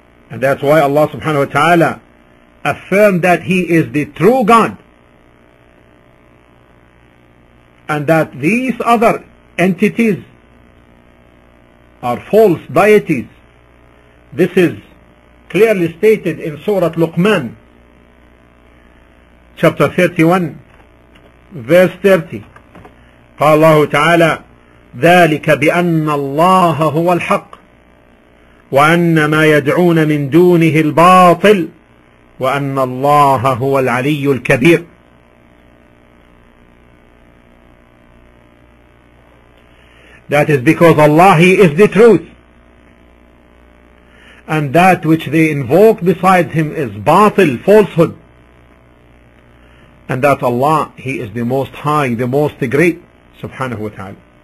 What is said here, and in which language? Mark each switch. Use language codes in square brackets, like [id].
[en] And that's why Allah subhanahu wa ta'ala affirm that He is the true God, and that these other entities are false deities. This is clearly stated in Surah Luqman, chapter 31, verse 30. [ar] قال الله تعالى ذلك بأن الله هو الحق وأن ما يدعون من دونه الباطل وَأَنَّ اللَّهَ هُوَ الْعَلِيُّ الْكَبِيرُ. [en] That is because Allah, He is the truth. And that which they invoke besides Him is batil, falsehood. And that Allah, He is the most high, the most great, subhanahu wa ta'ala.